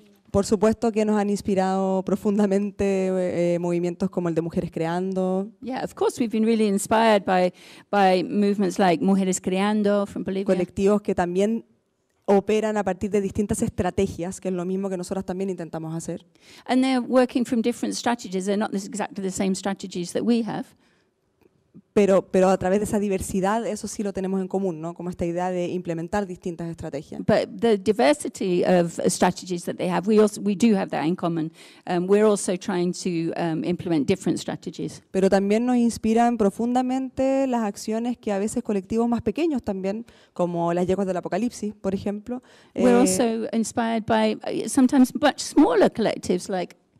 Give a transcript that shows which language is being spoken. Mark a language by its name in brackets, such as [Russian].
[Spanish] Por supuesto que nos han inspirado profundamente movimientos como el de Mujeres Creando. [English] Yeah, of course we've been really inspired by movements like Mujeres Creando from Bolivia. [Spanish] Colectivos que también operan a partir de distintas estrategias, que es lo mismo que nosotras también intentamos hacer. [English] And they're working from different strategies. They're not exactly the same strategies that we have. [Spanish] Pero a través de esa diversidad, eso sí lo tenemos en común, ¿no? Como esta idea de implementar distintas estrategias. [English] But the diversity of strategies that they have, we do have that in common. We're also trying to implement different strategies. [Spanish] Pero también nos inspiran profundamente las acciones que a veces colectivos más pequeños también, como las Yeguas del Apocalipsis, por ejemplo. [English] We're also inspired by sometimes much smaller collectives like